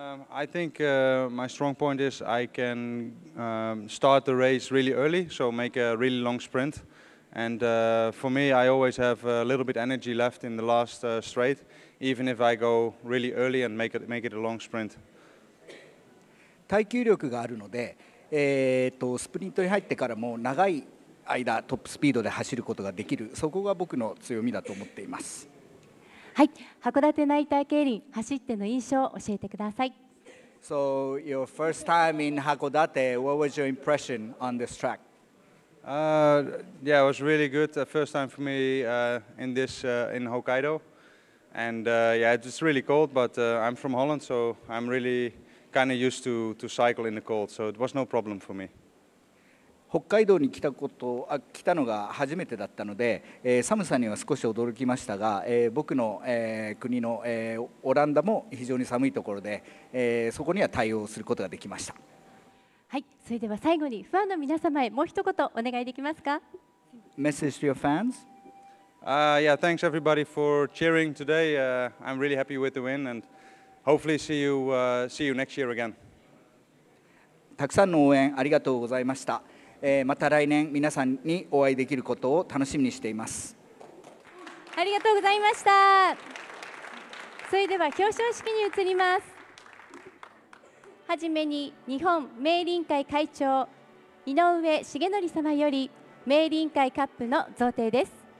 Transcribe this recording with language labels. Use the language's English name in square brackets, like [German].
[English] I think my strong point is I can start the race really early, so make a really long sprint. And for me, I always have a little bit energy left in the last straight, even if I go really early and make it a long sprint. [Japanese] 耐久力があるので、スプリントに入ってからも長い間トップスピードで走ることができる。そこが僕の強みだと思っています。はい、函館ナイター競輪走っての印象を教えてください。 [English] So your first time in Hakodate, what was your impression on this track? Yeah, it was really good. First time for me in this in Hokkaido, and yeah, it's really cold. But I'm from Holland, so I'm really kind of used to cycle in the cold. So it was no problem for me. [Japanese] 北海道に来たこと、来たのが初めてだったので、寒さには少し驚きましたが、僕の、国の、オランダも非常に寒いところで、そこには対応することができました。はい、それでは最後にファンの皆様へもう一言お願いできますか？ [English] Message to your fans? Yeah, thanks everybody for cheering today. I'm really happy with the win and hopefully see you next year again. [Japanese] たくさんの応援ありがとうございました。また来年皆さんにお会いできることを楽しみにしています。ありがとうございました。それでは表彰式に移ります。はじめに日本名輪会会長井上重則様より名輪会カップの贈呈です。